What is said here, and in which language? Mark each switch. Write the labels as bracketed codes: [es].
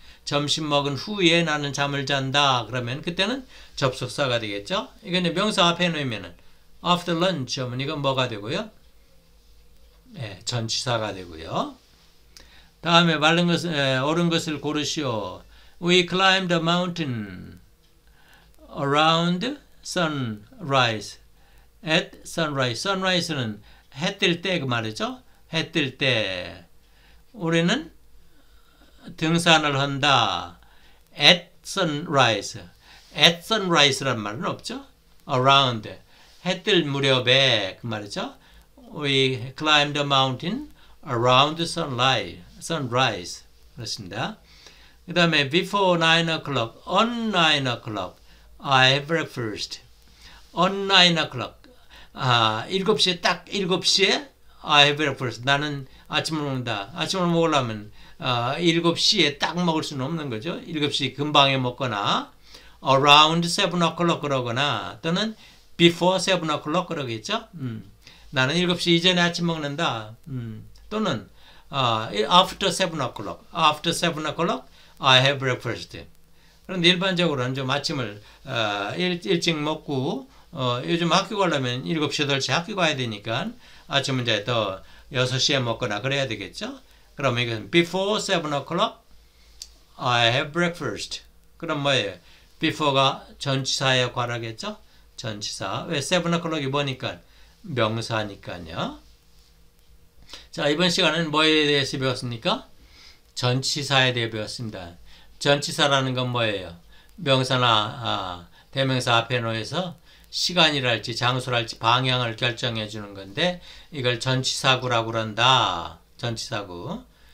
[ko] 점심 먹은 후에 나는 잠을 잔다. 그러면 그때는 접속사가 되겠죠? 이건 명사 앞에 놓으면은 [en] after lunch [ko] 하면 이건 뭐가 되고요? 예, 전치사가 되고요. 다음에 옳은 것을 고르시오. [en] We climbed a mountain around sunrise. At sunrise. [ko] Sunrise는 해뜰때그 말이죠. 해뜰때 우리는 등산을 한다. [en] At sunrise. At sunrise [ko] 란 말은 없죠? Around. 해 뜰 무렵에 그 말이죠. [en] We climb the mountain around sunrise. [ko] 그렇습니다. 그 다음에 [en] before 9 o'clock, on 9 o'clock, I have breakfast. On 9 o'clock, [ko] 아, 7시에 딱 7시에 [en] I have breakfast. [ko] 나는 아침을 먹는다. 아침을 먹으려면 7시에 딱 먹을 수는 없는 거죠. 7시 금방에 먹거나 [en] around 7 o'clock [ko] 그러거나 또는 [en] before 7 o'clock [ko] 그러겠죠. 나는 7시 이전에 아침 먹는다. [en] 또는 after 7 o'clock. After 7 o'clock, I have breakfast. [ko] 그런데 일반적으로는 좀 아침을 일찍 먹고 요즘 학교 가려면 7시, 8시 학교 가야 되니까 아침은 이제 더 6시에 먹거나 그래야 되겠죠. 그럼 이건 [en] before 7 o'clock, I have breakfast. [ko] 그럼 뭐예요? before가 전치사의 과라겠죠? 전치사. 왜 7 o'clock이 뭐니까? 명사니까요. 자, 이번 시간에는 뭐에 대해서 배웠습니까? 전치사에 대해 배웠습니다. 전치사라는 건 뭐예요? 명사나 대명사 앞에 놓여서 시간이랄지 장소랄지 방향을 결정해 주는 건데 이걸 전치사구라고 한다. 전치사구.